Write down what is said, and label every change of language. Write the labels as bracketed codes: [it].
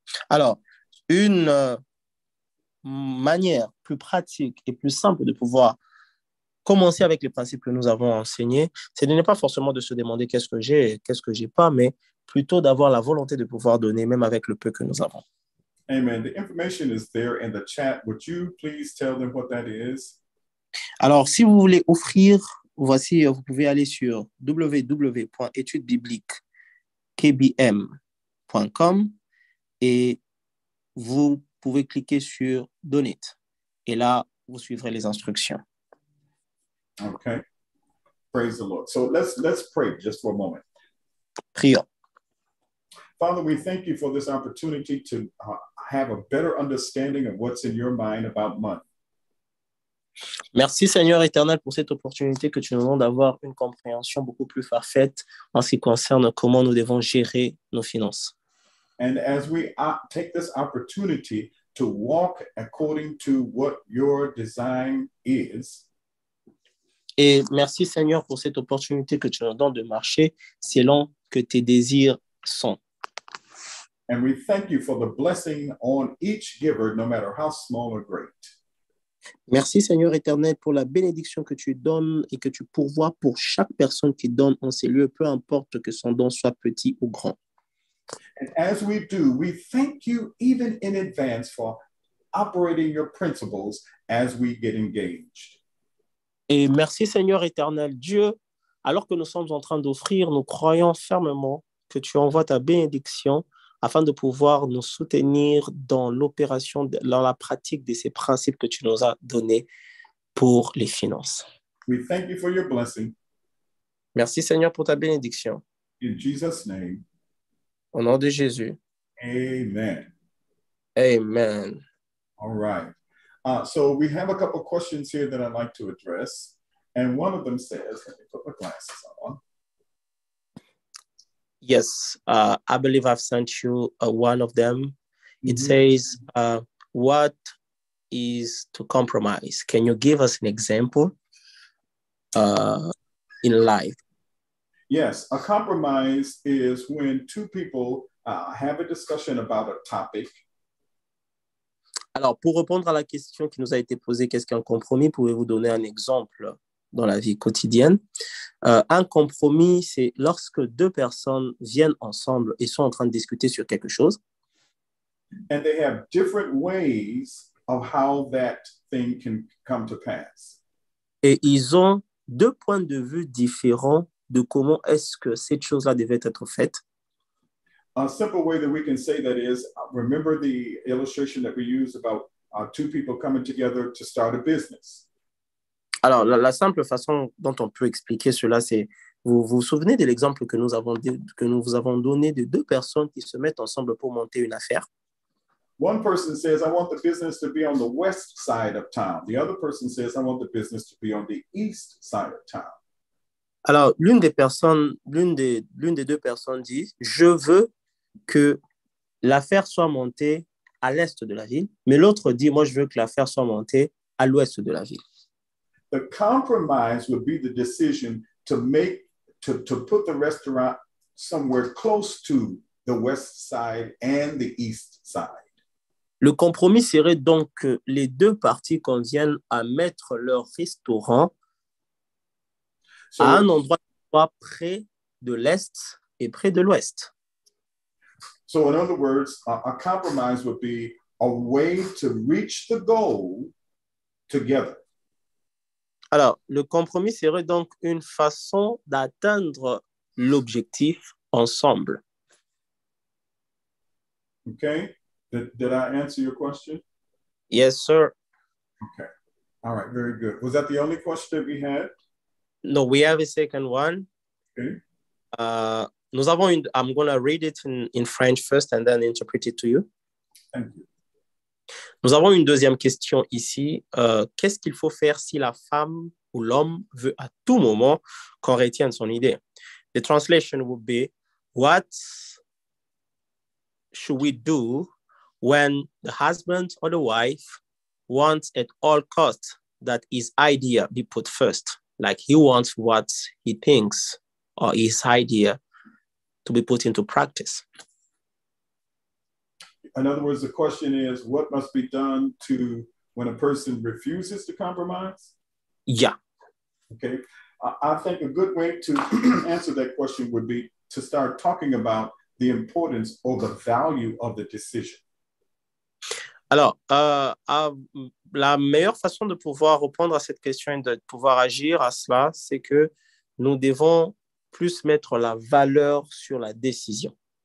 [fr] Alors, une manière plus pratique et plus simple de pouvoir commencer avec les principes que nous avons enseignés, c'est de ne pas forcément de se demander qu'est-ce que j'ai et qu'est-ce que j'ai pas, mais plutôt d'avoir la volonté de pouvoir donner, même avec le peu que nous avons. [en] Amen. The information is there in the chat. Would you please tell them what that is? [fr] Alors, si vous voulez offrir, voici, vous pouvez aller sur www.etudesbibliquesqbm.com et vous pouvez cliquer sur « Donate ». Et là, vous suivrez les instructions. [en] OK. Praise the Lord. So let's pray just for a moment. [fr] Prions. [en] Father, we thank you for this opportunity to have a better understanding of what's in your mind about money. [fr] Merci Seigneur éternel pour cette opportunité que tu nous donnes d'avoir une compréhension beaucoup plus parfaite en ce qui concerne comment nous devons gérer nos finances. [en] And as we take this opportunity to walk according to what your design is. [fr] Et merci Seigneur pour cette opportunité que tu nous donnes de marcher selon que tes désirs sont. [en] And we thank you for the blessing on each giver, no matter how small or great. [fr] Merci Seigneur éternel pour la bénédiction que tu donnes et que tu pourvois pour chaque personne qui donne en ces lieux, peu importe que son don soit petit ou grand. [en] And as we do, we thank you even in advance for operating your principles as we get engaged. [fr] Et merci Seigneur éternel Dieu, alors que nous sommes en train d'offrir, nous croyons fermement que tu envoies ta bénédiction afin de pouvoir nous soutenir dans l'opération, dans la pratique de ces principes que tu nous as donnés pour les finances. [en] We thank you for your blessing. [fr] Merci Seigneur pour ta bénédiction. [en] In Jesus' name. [fr] Au nom de Jésus. [en] Amen. Amen. All right. So we have a couple of questions here that I'd like to address. And one of them says, let me put my glasses on. Yes, I believe I've sent you one of them. It mm-hmm. says, what is to compromise? Can you give us an example in life? Yes, a compromise is when two people have a discussion about a topic. [fr] Alors, pour répondre à la question qui nous a été posée, qu'est-ce qu'un compromis, pouvez-vous donner un exemple dans la vie quotidienne? Un compromis, c'est lorsque deux personnes viennent ensemble et sont en train de discuter sur quelque chose. [en] And they have different ways of how that thing can come to pass. [fr] Et ils ont deux points de vue différents de comment est-ce que cette chose-là devait être faite. [en] A simple way that we can say that is, remember the illustration that we used about two people coming together to start a business. [fr] Alors, la simple façon dont on peut expliquer cela, c'est, vous vous souvenez de l'exemple que nous vous avons donné de deux personnes qui se mettent ensemble pour monter une affaire? [en] One person says, I want the business to be on the west side of town. The other person says, I want the business to be on the east side of town. [fr] Alors, l'une des deux personnes dit, je veux que l'affaire soit montée à l'est de la ville, mais l'autre dit, moi, je veux que l'affaire soit montée à l'ouest de la ville. [en] The compromise would be the decision to put the restaurant somewhere close to the west side and the east side. [fr] Le compromis serait donc que les deux parties conviennent à mettre leur restaurant à un endroit près de l'est et près de l'ouest. [en] So in other words, a compromise would be a way to reach the goal together. [fr] Alors, le compromis serait donc une façon d'atteindre l'objectif ensemble. [en] Okay. Did I answer your question? Yes, sir. Okay. All right. Very good. Was that the only question that we had? No, we have a second one. Okay. [fr] Nous avons une, [en] I'm going to read it in French first and then interpret it to you. Thank you. [fr] Nous avons une deuxième question ici. Qu'est-ce qu'il faut faire si la femme ou l'homme veut à tout moment qu'on retienne son idée? [en] The translation would be, what should we do when the husband or the wife wants at all costs that his idea be put first, like he wants what he thinks or his idea to be put into practice. In other words, the question is, what must be done to when a person refuses to compromise? Yeah. Okay. I think a good way to answer that question would be to start talking about the importance or the value of the decision. [fr] Alors, la meilleure façon de pouvoir répondre à cette question et de pouvoir agir à cela, c'est que nous devons plus mettre la valeur sur la décision.